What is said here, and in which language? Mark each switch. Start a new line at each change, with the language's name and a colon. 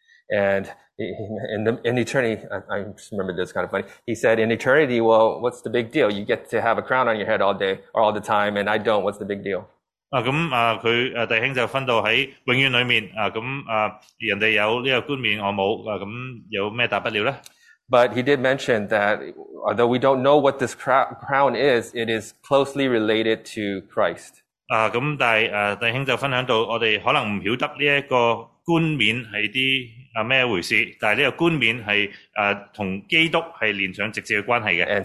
English: And in eternity, I just remember this kind of funny. He said, in eternity, well, what's the big deal? You get to have a crown on your head all day or all the time, and I don't. What's the big deal?
Cantonese: 咁佢弟兄就分到喺永遠裏面。咁人哋有呢個冠冕，我冇。咁有咩大不了咧？
English: But he did mention that although we don't know what this crown is, it is closely related to Christ.
Cantonese: 咁但係弟兄就分享到我哋可能唔曉得呢一個冠冕係啲咩回事，但係呢個冠冕係同基督係連上直接嘅關係嘅。